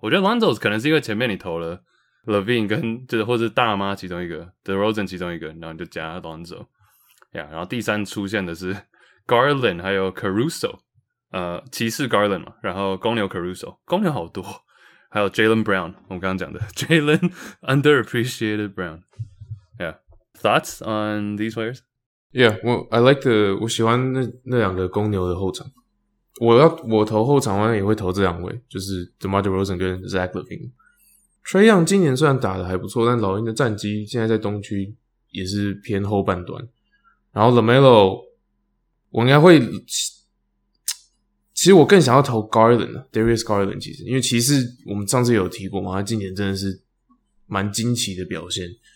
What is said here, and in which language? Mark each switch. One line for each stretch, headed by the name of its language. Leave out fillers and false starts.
Chinese: 我觉得 Lonzo 可能是因为前面你投了 Levine 跟就是或是大妈其中一个 ,DeRozan 其中一个，然后你就加 Lonzo。 Yeah, 然后第三出现的是 Garland, 还有 Caruso, 骑士 Garland 嘛，然后公牛 Caruso, 公牛好多，还有 Jaylen Brown, 我们刚刚讲的 Jaylen Underappreciated Brown。
English: Yeah, thoughts on these players?
Chinese: Yeah, 我喜欢那两个公牛的后场。我投后场，我也会投这两位，就是 DeMar DeRozan 跟 Zach Levine。 Trae Young 今年虽然打得还不错，但老鹰的战绩现在在东区也是偏后半段。然后 LaMelo， 我应该会，其实我更想要投 Garland，Darius Garland， 其实因为骑士我们上次有提过嘛，他今年真的是蛮惊奇的表现。